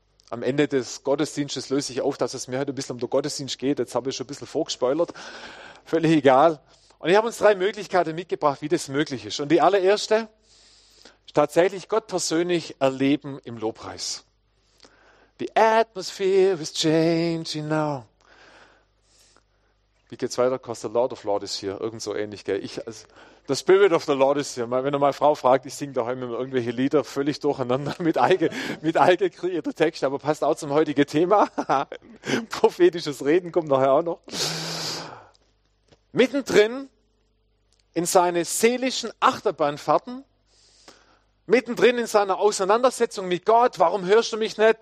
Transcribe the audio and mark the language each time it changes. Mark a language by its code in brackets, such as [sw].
[de] Am Ende des Gottesdienstes löse ich auf, dass es mir heute ein bisschen um den Gottesdienst geht. Jetzt habe ich schon ein bisschen vorgespoilert. völlig egal. Und ich habe uns drei Möglichkeiten mitgebracht, wie das möglich ist. Und die allererste ist tatsächlich Gott persönlich erleben im Lobpreis. [en] The atmosphere is changing now. [de] Wie geht's weiter? [en] Because the Lord of Lords is here. [de] Irgend so ähnlich, gell? [en] The Spirit of the Lord is here. [de] Wenn meine Frau fragt, ich singe daheim immer irgendwelche Lieder völlig durcheinander mit eigen kreierter Text, aber passt auch zum heutigen Thema. Prophetisches Reden kommt nachher auch noch. Mittendrin in seine seelischen Achterbahnfahrten, mittendrin in seiner Auseinandersetzung mit Gott, warum hörst du mich nicht?